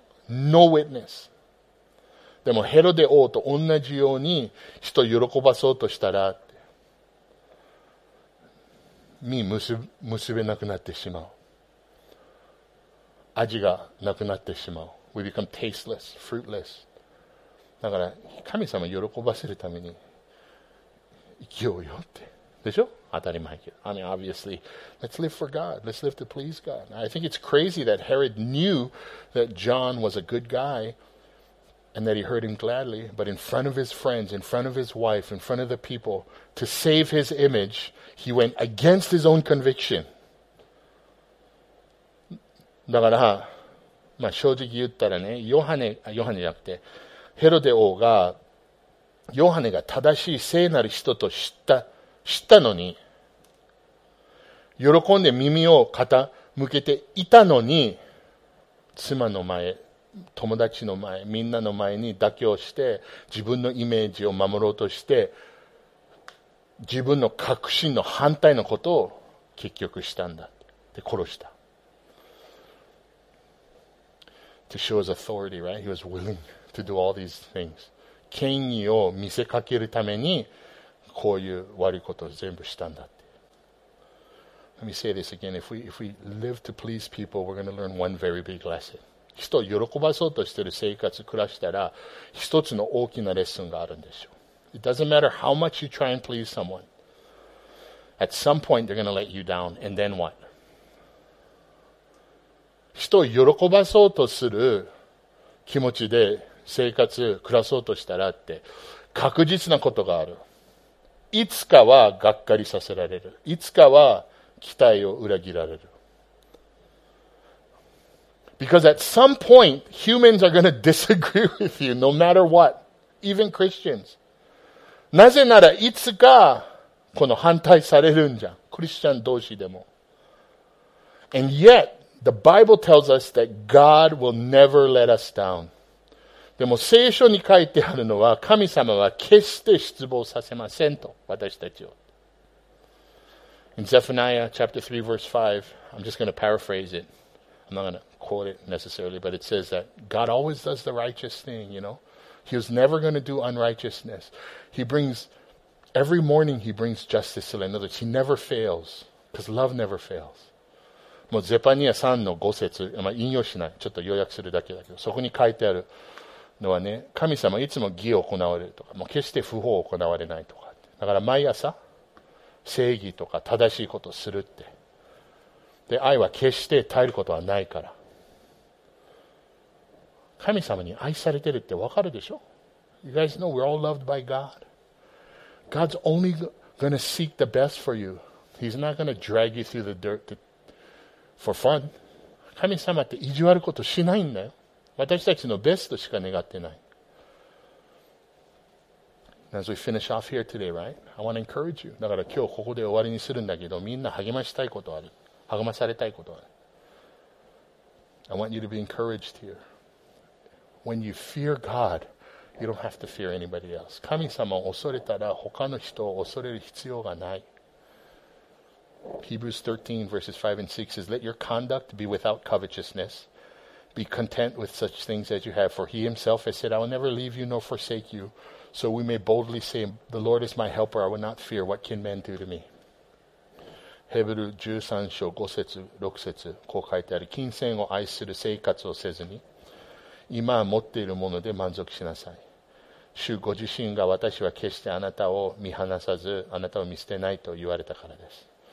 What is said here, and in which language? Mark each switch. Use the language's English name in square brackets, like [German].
[English] No witness. [Japanese] でも、ヘロデ王と同じように人を喜ばそうとしたら、身結べなくなってしまう。味がなくなってしまう。 [English] We become tasteless, fruitless. [Japanese] だから、神様を喜ばせるために生きようよって。でしょ？当たり前けど。 [English] I mean, obviously, let's live for God. Let's live to please God. I think it's crazy that Herod knew that John was a good guy and that he heard him gladly, but in front of his friends, in front of his wife, in front of the people, to save his image,He went against his own conviction. [Japanese] だから、まあ、正直言ったらね、ヨハネじゃなくて、ヘロデ王が、ヨハネが正しい聖なる人と知ったのに、喜んで耳を傾けていたのに、妻の前、友達の前、みんなの前に妥協して、自分のイメージを守ろうとして、自分の確信の反対のことを結局したんだって殺した。 [English] To show his authority, right? He was willing to do all these things. [Japanese] 権威を見せかけるためにこういう悪いことを全部したんだって。 [English] Let me say this again. If we live to please people, we're going to learn one very big lesson. [Japanese] 人を喜ばそうとしている生活、暮らしたら、一つの大きなレッスンがあるんですよ。 [English] It doesn't matter how much you try and please someone. At some point, they're going to let you down. And then what? [Japanese] 人を喜ばそうとする気持ちで生活、暮らそうとしたらって、確実なことがある。いつかはがっかりさせられる。いつかは期待を裏切られる。 [English] Because at some point, humans are going to disagree with you, no matter what. Even Christians. [Japanese] なぜならいつかこの反対されるんじゃん。クリスチャン同士でも。 [English] And yet, the Bible tells us that God will never let us down. [Japanese] でも聖書に書いてあるのは神様は決して失望させませんと私たちを。 [English] In Zephaniah chapter 3 verse 5, I'm just going to paraphrase it. I'm not going to quote it necessarily, but it says that God always does the righteous thing, you know. He was never going to do unrighteousness. He brings, every morning he brings justice to the other. He never fails, because love never fails. [Japanese] もうゼパニア3の5節、まあ、引用しない。ちょっと要約するだけだけど、そこに書いてあるのはね、神様いつも義を行われるとか、もう決して不法を行われないとか。だから毎朝、正義とか正しいことをするって。で、愛は決して耐えることはないから。神様に愛されてるってわかるでしょ? [English] You guys know we're all loved by God. God's only gonna seek the best for you. He's not gonna drag you through the dirt to, for fun. [Japanese] 神様って意地悪ことしないんだよ。私たちのベストしか願ってない。 [English] As we finish off here today, right? I want to encourage you. [Japanese] だから今日ここで終わりにするんだけど、みんな励ましたいことある。励まされたいことある。 [English] I want you to be encouraged here. When you fear God, you don't have to fear anybody else. 神様を恐れたら他の人を恐れる必要がない。 Hebrews 13 verses 5 and 6 says, Let your conduct be without covetousness. Be content with such things as you have. For he himself has said, I will never leave you nor forsake you. So we may boldly say, The Lord is my helper. I will not fear. What can men do to me? [Japanese] ヘブル13章5節6節こう書いてある。金銭を愛する生活をせずに。今持っているもので満足しなさい。主ご自身が私は決してあなたを見放さず、あなたを見捨てないと言われたからです。